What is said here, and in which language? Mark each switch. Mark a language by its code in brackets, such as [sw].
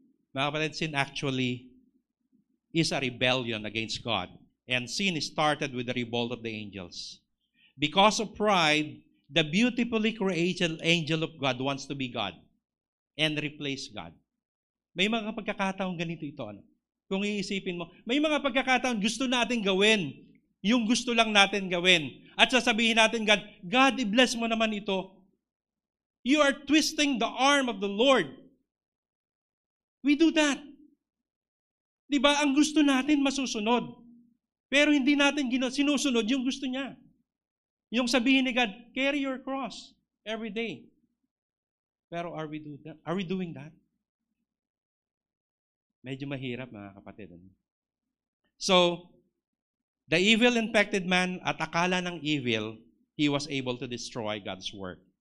[tl] Mga kapatid, [en] sin actually is a rebellion against God. And sin is started with the revolt of the angels. Because of pride, the beautifully created angel of God wants to be God and replace God. [tl] May mga pagkakataong ganito ito. Ano? Kung iisipin mo, may mga pagkakataong gusto natin gawin yung gusto lang natin gawin. At sasabihin natin, God, God, i-bless mo naman ito. [en] You are twisting the arm of the Lord. We do that. [tl] Diba? Ang gusto natin masusunod. Pero hindi natin sinusunod yung gusto niya. Yung sabihin ni God, [en] carry your cross every day. [tl] Pero [en] are we doing that? [tl] Medyo mahirap, mga kapatid. [en] So, the evil infected man [tl] at akala ng evil, [en] he was able to destroy God's work.